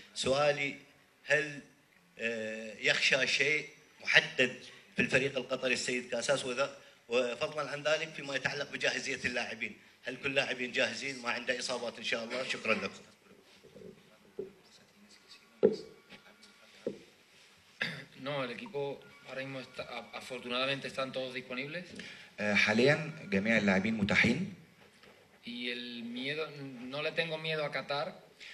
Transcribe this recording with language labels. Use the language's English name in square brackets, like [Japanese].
[Arabic] سؤالي، هل يخشى شيء محدد في الفريق القطري السيد كاساس، وفضلا عن ذلك فيما يتعلق بجاهزية اللاعبين، هل كل لاعبين جاهزين؟ ما عنده إصابات إن شاء الله؟ شكرا لكم. [Spanish] No, el equipo ahora mismo está, afortunadamente están todos disponibles. [Arabic] حاليا جميع اللاعبين متاحين. [Spanish] Y el miedo, no le tengo miedo a Qatar.